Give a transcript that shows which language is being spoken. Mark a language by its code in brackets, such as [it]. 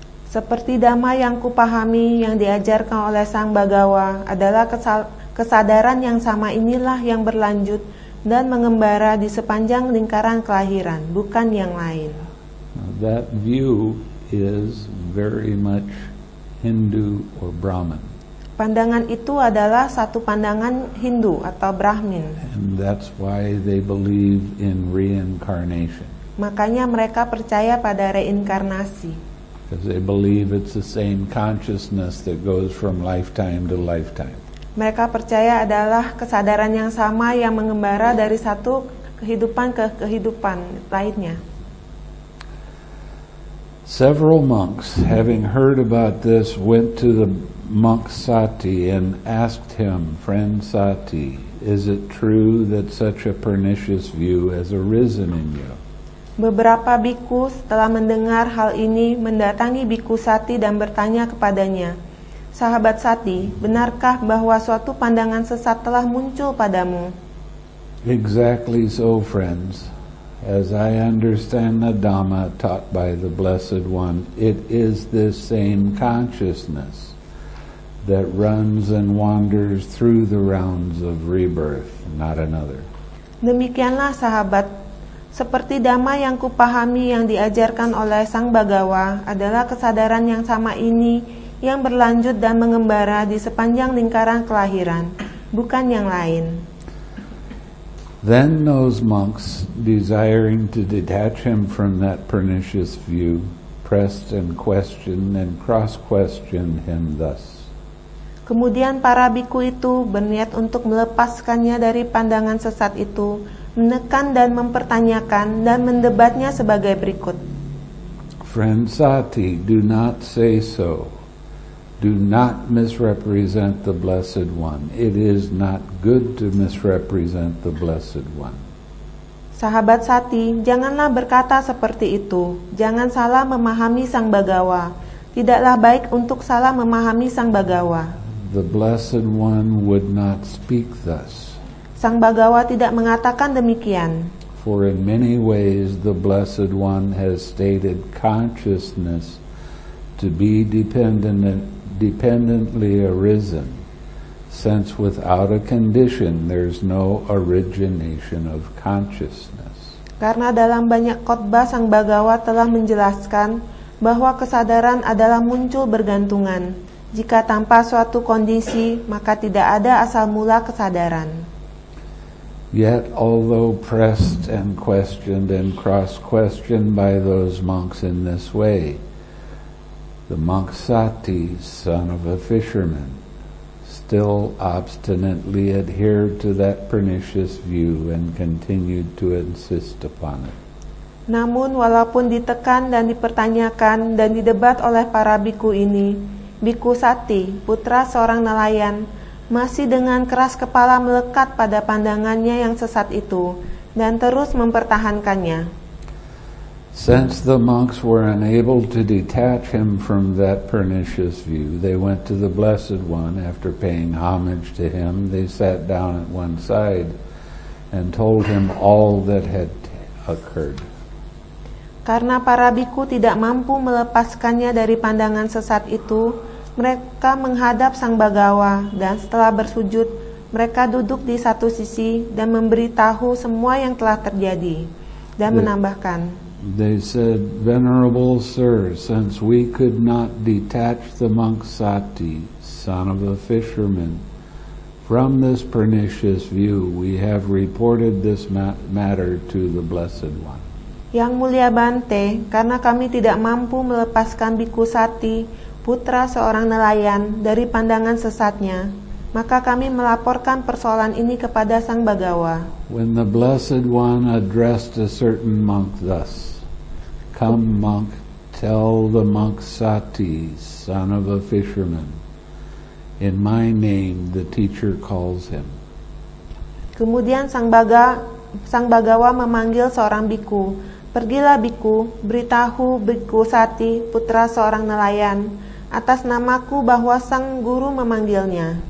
[id] Seperti Dhamma yang kupahami yang diajarkan oleh Sang Bhagava adalah kesadaran yang sama inilah yang berlanjut dan mengembara di sepanjang lingkaran kelahiran, bukan yang lain. [en] That view is very much Hindu or Brahmin. [id] Pandangan itu adalah satu pandangan Hindu atau Brahmin. [en] And that's why they believe in reincarnation. [id] Makanya mereka percaya pada reinkarnasi. [en] Because they believe it's the same consciousness that goes from lifetime to lifetime. [id] Mereka percaya adalah kesadaran yang sama yang mengembara dari satu kehidupan ke kehidupan lainnya. [en] Several monks, having heard about this, went to the monk Sati and asked him, "Friend Sati, is it true that such a pernicious view has arisen in you?" [id] Beberapa biku setelah mendengar hal ini mendatangi biku Sati dan bertanya kepadanya, "Sahabat Sati, benarkah bahwa suatu pandangan sesat telah muncul padamu?" [en] "Exactly so, friends. As I understand the Dhamma taught by the Blessed One, it is this same consciousness that runs and wanders through the rounds of rebirth, not another." [id] Demikianlah, sahabat. Seperti Dhamma yang kupahami yang diajarkan oleh Sang Bhagava adalah kesadaran yang sama ini yang berlanjut dan mengembara di sepanjang lingkaran kelahiran, bukan yang lain. [en] Then those monks, desiring to detach him from that pernicious view, pressed and questioned and cross-questioned him thus. [id] Kemudian para biku itu berniat untuk melepaskannya dari pandangan sesat itu, menekan dan mempertanyakan dan mendebatnya sebagai berikut. [en] "Friend Sati, do not say so. Do not misrepresent the Blessed One. It is not good to misrepresent the Blessed One." [id] Sahabat Sati, janganlah berkata seperti itu. Jangan salah memahami Sang Bhagava. Tidaklah baik untuk salah memahami Sang Bhagava. [en] The Blessed One would not speak thus. [id] Sang Bhagava tidak mengatakan demikian. [en] For in many ways the Blessed One has stated consciousness to be dependently arisen, since without a condition there's no origination of consciousness. [id] Karena dalam banyak khotbah Sang Bhagava telah menjelaskan bahwa kesadaran adalah muncul bergantungan. Jika tanpa suatu kondisi, maka tidak ada asal mula kesadaran. [en] Yet although pressed and questioned and cross-questioned by those monks in this way, the monk Sati, son of a fisherman, still obstinately adhered to that pernicious view and continued to insist upon it. [id] Namun walaupun ditekan dan dipertanyakan dan didebat oleh para bhikkhu ini, Bhikkhu Sati, putra seorang nelayan, masih dengan keras kepala melekat pada pandangannya yang sesat itu dan terus mempertahankannya. [en] Since the monks were unable to detach him from that pernicious view, they went to the Blessed One. After paying homage to him, they sat down at one side and told him all that had occurred. [id] Karena para bhikkhu tidak mampu melepaskannya dari pandangan sesat itu, mereka menghadap Sang Bhagawa dan setelah bersujud, mereka duduk di satu sisi dan memberitahu semua yang telah terjadi dan menambahkan. [en] They said, "Venerable Sir, since we could not detach the monk Sati, son of a fisherman, from this pernicious view, we have reported this matter to the Blessed One." [id] Yang Mulia Bante, karena kami tidak mampu melepaskan Bhikkhu Sati, putra seorang nelayan, dari pandangan sesatnya, maka kami melaporkan persoalan ini kepada Sang Bhagawa. [en] When the Blessed One addressed a certain monk thus, "Come, monk, tell the monk Sati, son of a fisherman, in my name the teacher calls him." [id] Kemudian Sang Bhagawa memanggil seorang bhikkhu, "Pergilah bhikkhu, beritahu bhikkhu Sati, putra seorang nelayan, atas namaku bahwa sang guru memanggilnya."